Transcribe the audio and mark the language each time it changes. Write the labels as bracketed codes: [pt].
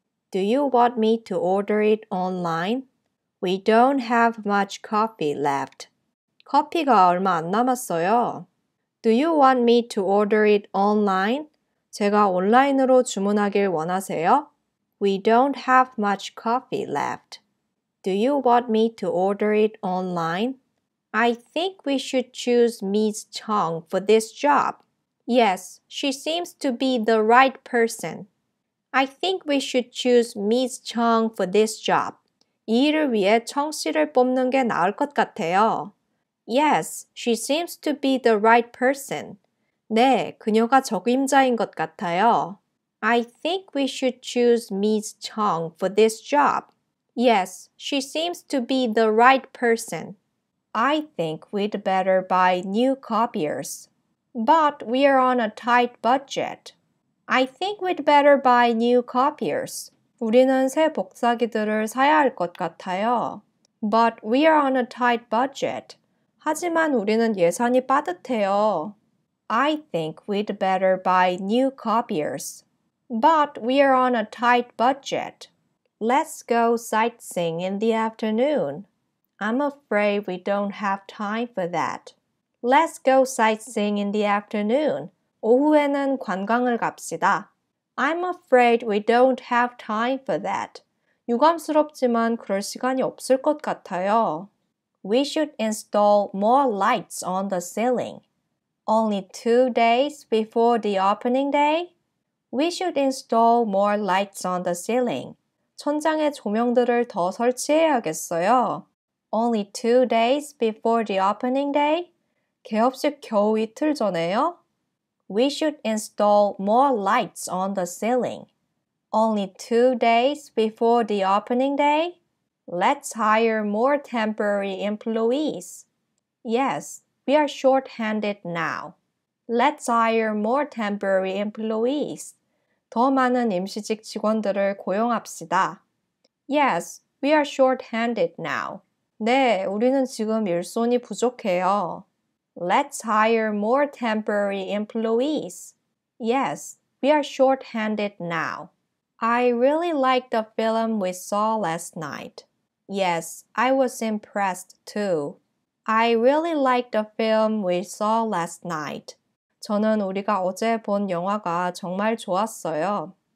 [en] Do you want me to order it online? We don't have much coffee left. [ko] 커피가 얼마 안 남았어요. [en] Do you want me to order it online? [ko] 제가 온라인으로 주문하길 원하세요? [en] We don't have much coffee left. Do you want me to order it online? I think we should choose Ms. Chong for this job. Yes, she seems to be the right person. I think we should choose Ms. Chong for this job. [ko] 이 일을 위해 청 씨를 뽑는 게 나을 것 같아요. [en] Yes, she seems to be the right person. [ko] 네, 그녀가 적임자인 것 같아요. [en] I think we should choose Ms. Chong for this job. Yes, she seems to be the right person. I think we'd better buy new copiers. But we are on a tight budget. I think we'd better buy new copiers. [ko] 우리는 새 복사기들을 사야 할 것 같아요. [en] But we are on a tight budget. [ko] 하지만 우리는 예산이 빠듯해요. [en] I think we'd better buy new copiers. But we are on a tight budget. Let's go sightseeing in the afternoon. I'm afraid we don't have time for that. Let's go sightseeing in the afternoon. [ko] 오후에는 관광을 갑시다. [en] I'm afraid we don't have time for that. [ko] 유감스럽지만 그럴 시간이 없을 것 같아요. [en] We should install more lights on the ceiling. Only 2 days before the opening day? We should install more lights on the ceiling. [ko] 천장에 조명들을 더 설치해야겠어요. [en] Only 2 days before the opening day? [ko] 개업식 겨우 이틀 전에요? [en] We should install more lights on the ceiling. Only 2 days before the opening day? Let's hire more temporary employees. Yes, we are short-handed now. Let's hire more temporary employees. [ko] 더 많은 임시직 직원들을 고용합시다. [en] Yes, we are short-handed now. [ko] 네, 우리는 지금 일손이 부족해요. [en] Let's hire more temporary employees. Yes, we are short-handed now. I really liked the film we saw last night. Yes, I was impressed too. I really liked the film we saw last night. [ko] 저는 우리가 어제 본 영화가 정말 좋았어요.